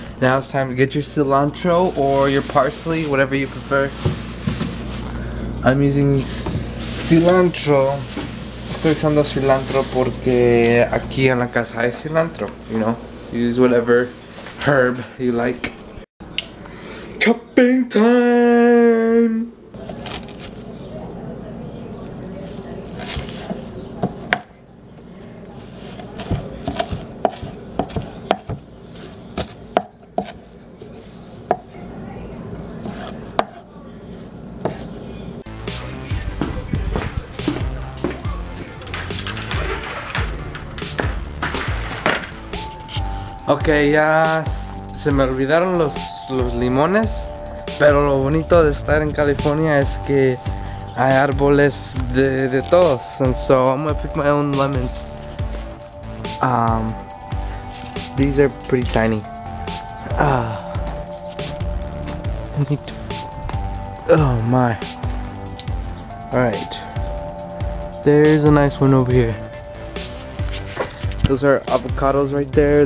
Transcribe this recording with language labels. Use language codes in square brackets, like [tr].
[en] Now it's time to get your cilantro or your parsley, whatever you prefer. I'm using cilantro. [es] Estoy usando cilantro porque aquí en la casa hay cilantro. [en] You know, use whatever herb you like. Chopping time! [es] Ok, ya se me olvidaron los limones, pero lo bonito de estar en California es que hay árboles de todos. [en] And so I'm gonna pick my own lemons. These are pretty tiny. Oh my. Alright. There's a nice one over here. Those are avocados right there.